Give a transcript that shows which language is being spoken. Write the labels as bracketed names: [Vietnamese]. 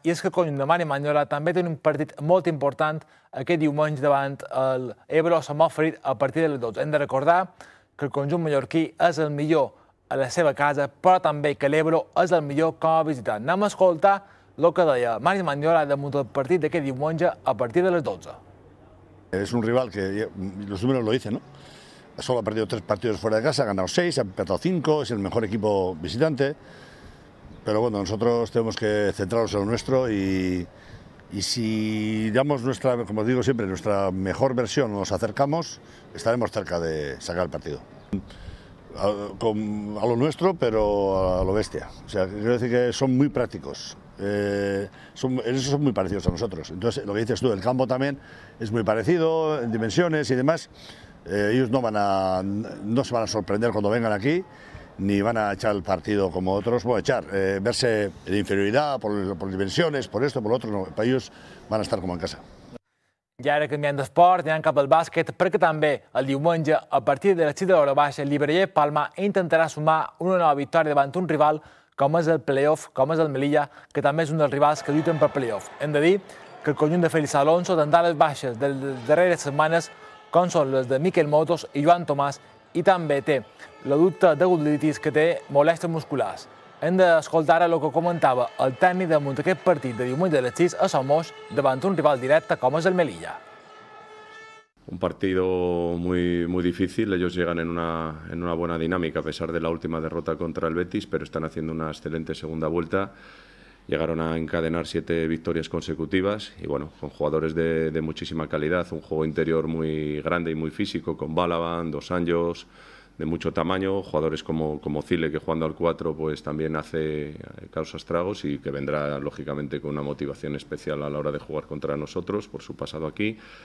[Catalan] I és que el conjunt de Mario Manyola també té un partit molt important aquest diumenge davant l'Ebro Somòferit a partir de les 12. Hem de recordar que el conjunt mallorquí és el millor a la seva casa, però també que l'Ebro és el millor com a visitant. Anem a escoltar el que deia Mario Manyola damunt del partit d'aquest diumenge a partir de les 12. És un rival que els números [Spanish] lo dicen, ¿no? Solo ha perdido 3 partidos fuera de casa, ha ganado 6, ha empatado 5, es el mejor equipo visitante. Pero bueno, nosotros tenemos que centrarnos en lo nuestro y si damos nuestra, como digo siempre, nuestra mejor versión, nos acercamos, estaremos cerca de sacar el partido. a lo nuestro, pero a lo bestia. O sea, quiero decir que son muy prácticos. En eso son muy parecidos a nosotros. Entonces, lo que dices tú, el campo también es muy parecido en dimensiones y demás. Ellos no se van a sorprender cuando vengan aquí, ni van a echar el partido como otros. Bueno, verse de inferioridad por dimensiones, por esto, por lo otro, no. Para ellos van a estar como en casa. [Catalan] I ara canviant d'esport, anant cap al bàsquet, perquè també el diumenge, a partir de les 6 de l'hora baixa, el Libreller Palma intentarà sumar una nova victòria davant un rival com és el play-off, com és el Melilla, que també és un dels rivals que lluiten per play-off. Hem de dir que el conjunt de Félix Alonso tindrà les baixes de les darreres setmanes, com són les de Miquel Motos i Joan Tomàs, i també té la dubte de gluteïtis que té molèsties musculars. Hem d'escoltar el que comentava el tècnic damunt d'aquest partit de diumenge de les 6 a Somos davant un rival directe com és el Melilla. [Spanish] Un partido muy, muy difícil. Ellos llegan en una buena dinámica a pesar de la última derrota contra el Betis, pero están haciendo una excelente segunda vuelta. Llegaron a encadenar 7 victorias consecutivas y bueno, con jugadores de muchísima calidad, un juego interior muy grande y muy físico con Balaban, Dos Anjos, de mucho tamaño, jugadores como Cile, que jugando al 4 pues también hace causa estragos y que vendrá lógicamente con una motivación especial a la hora de jugar contra nosotros por su pasado aquí.